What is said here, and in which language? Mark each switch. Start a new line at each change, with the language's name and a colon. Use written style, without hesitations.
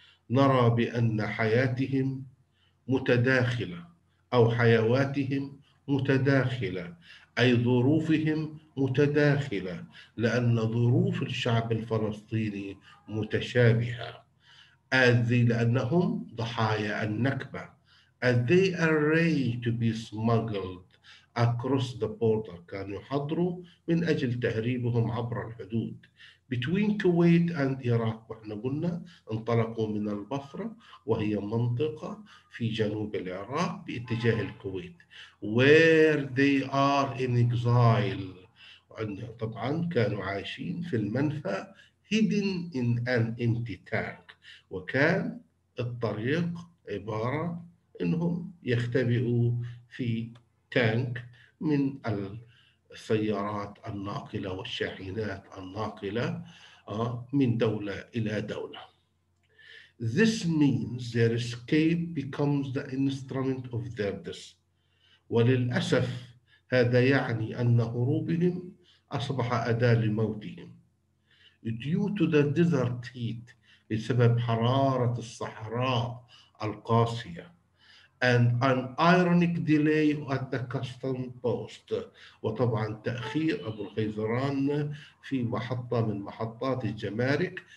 Arabic: نرى بأن حياتهم متداخلة أو حيواتهم متداخلة أي ظروفهم متداخلة لأن ظروف الشعب الفلسطيني متشابهة. أذي لأنهم ضحايا النكبة.
English: They are ready to be smuggled across the border.
Arabic: كانوا يحضروا من أجل تهريبهم عبر الحدود.
English: Between Kuwait and Iraq.
Arabic: وإحنا قلنا انطلقوا من البصرة وهي منطقة في جنوب العراق باتجاه الكويت.
English: Where they are in exile.
Arabic: طبعا كانوا عايشين في المنفى
English: hidden in an empty tank.
Arabic: وكان الطريق عبارة إنهم يختبئوا في تانك من السيارات الناقلة والشاحنات الناقلة من دولة إلى دولة.
English: This means their escape becomes the instrument of their death.
Arabic: وللأسف هذا يعني أن هروبهم أصبح أداة لموتهم.
English: Due to the desert heat,
Arabic: بسبب حرارة الصحراء القاسية.
English: And an ironic delay at the custom post.
Arabic: وطبعا تأخير أبو الخيزران في محطة من محطات الجمارك.